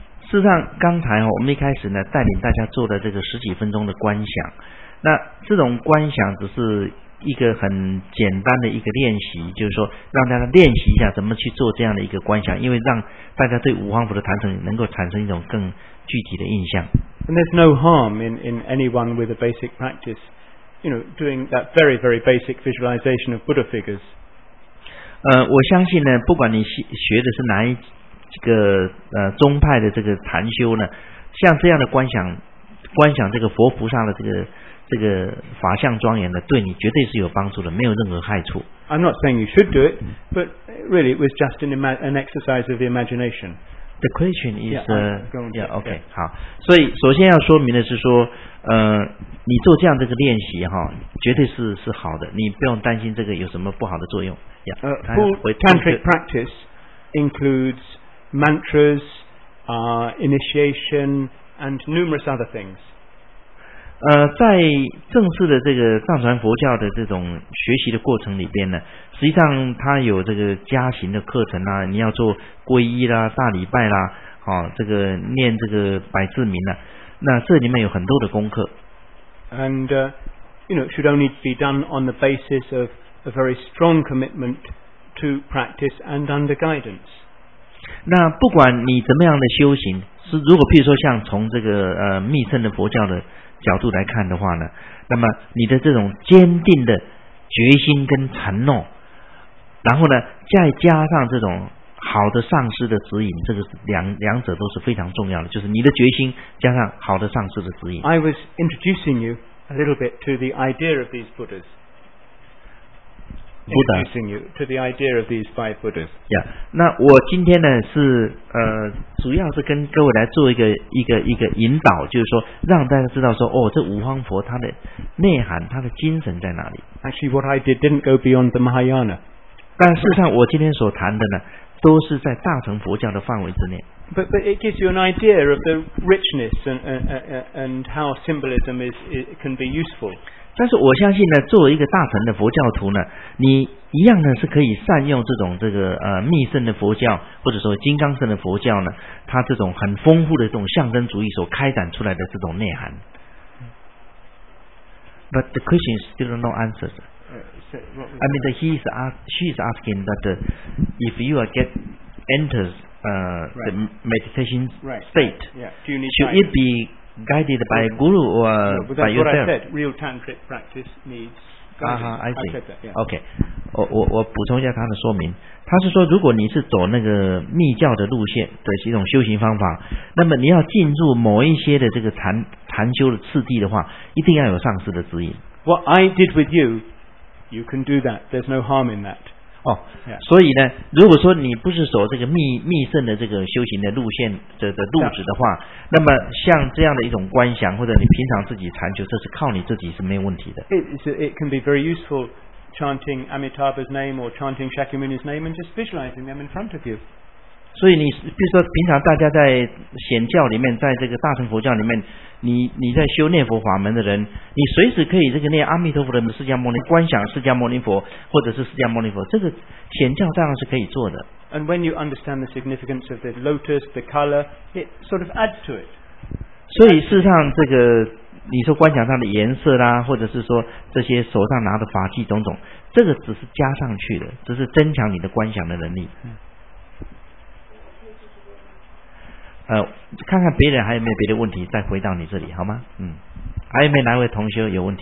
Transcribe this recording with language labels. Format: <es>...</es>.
<zh>事实上，刚才我们一开始呢，带领大家做的这个十几分钟的观想。那这种观想只是一个很简单的一个练习，就是说让大家练习一下怎么去做这样的一个观想，因为让大家对五方佛的坛城能够产生一种更具体的印象。</zh> <en>And there's no harm in anyone with a basic practice, you know, doing that very very basic visualization of Buddha figures.</en> <zh>我相信呢，不管你学的是哪一个宗派的这个禅修呢，像这样的观想这个佛菩萨的这个法相庄严的，对你绝对是有帮助的，没有任何害处。</zh> <en>I'm not saying you should do it, but really it was just an exercise of the imagination. The question is, yeah, okay. Yeah.</en> <zh>好，所以首先要说明的是说，你做这样这个练习哈，绝对是好的，你不用担心这个有什么不好的作用。</zh> <en>Full tantric practice includes mantras, initiation, and numerous other things.</en> <zh>在正式的这个藏传佛教的这种学习的过程里边呢，实际上它有这个加行的课程啊，你要做皈依啦、大礼拜啦，这个念这个百字铭啦，那这里面有很多的功课。</zh> <en>And, you know, it should only be done on the basis of a very strong commitment to practice and under guidance.</en> <zh>那不管你怎么样的修行，是如果譬如说像从这个密圣的佛教的角度来看的话呢，那么你的这种坚定的决心跟承诺，然后呢再加上这种好的上师的指引，这个两者都是非常重要的，就是你的决心加上好的上师的指引。</zh> <en>I was introducing you a little bit to the idea of these Buddhas. Buddha. Introducing you to the idea of these five Buddhas. Yeah.</en> <zh>那我今天呢是主要是跟各位来做一个引导，就是说让大家知道说，哦，这五方佛它的内涵、它的精神在哪里。</zh> <en>Actually, what I did didn't go beyond the Mahayana.</en> <zh>但事实上，我今天所谈的呢，都是在大乘佛教的范围之内。</zh> <en>But it gives you an idea of the richness and how symbolism is can be useful.</en> <zh>但是我相信呢，作为一个大乘的佛教徒呢，你一样呢是可以善用这种这个密圣的佛教，或者说金刚圣的佛教呢，它这种很丰富的这种象征主义所开展出来的这种内涵。</zh> <en>But the question is still no answers. I mean, she is asking that if you are get enters the meditation state, should it be guided by a guru or by yourself? That's what I said. Real tantric practice needs. I see. Okay.</en> <zh>我补充一下他的说明，他是说如果你是走那个密教的路线的一种修行方法，那么你要进入某一些的这个禅修的次第的话，一定要有上师的指引。</zh> <en>What I did with you, you can do that. There's no harm in that.</en> <zh>所以呢，如果说你不是走这个密圣的这个修行的路线的路子的话，那么像这样的一种观想或者你平常自己禅修，这是靠你自己是没有问题的。</zh> <en>It can be very useful. Chanting Amitabha's name or chanting Shakyamuni's name and just visualizing them in front of you.</en> <zh>所以你比如说平常大家在显教里面，在这个大乘佛教里面，你在修念佛法门的人，你随时可以这个念阿弥陀佛的释迦牟尼，观想释迦牟尼佛或者是释迦牟尼佛，这个显教当然是可以做的。</zh> <en>And when you understand the significance of the lotus, the color, it sort of adds to it.</en> <zh>所以事实上这个。你说观想上的颜色啦，或者是说这些手上拿的法器种种，这个只是加上去的，只是增强你的观想的能力。看看别人还有没有别的问题，再回到你这里好吗？还有没有哪位同学有问题？我想这是非常难得的机缘，他是</zh>